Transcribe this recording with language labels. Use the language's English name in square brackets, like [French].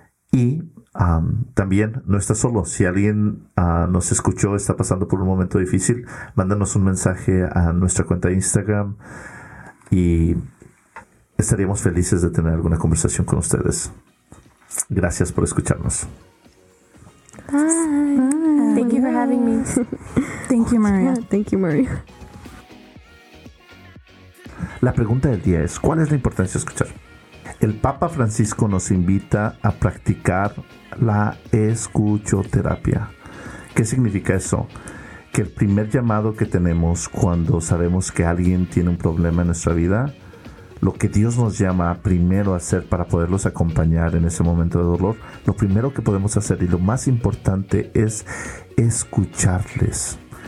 [Spanish] Y también no estás solo. Si alguien nos escuchó, está pasando por un momento difícil, mándanos un mensaje a nuestra cuenta de Instagram y estaríamos felices de tener alguna conversación con ustedes. Gracias por escucharnos. [English] Bye. Bye. Thank you for having me. Thank you, Maria. Yeah, thank you, Maria. [Spanish] La pregunta del día es, ¿cuál es la importancia de escuchar? El Papa Francisco nos invita a practicar la escuchoterapia. ¿Qué significa eso? Que el primer llamado que tenemos cuando sabemos que alguien tiene un problema en nuestra vida, lo que Dios nos llama primero a hacer para poderlos acompañar en ese momento de dolor, lo primero que podemos hacer y lo más importante es escucharles.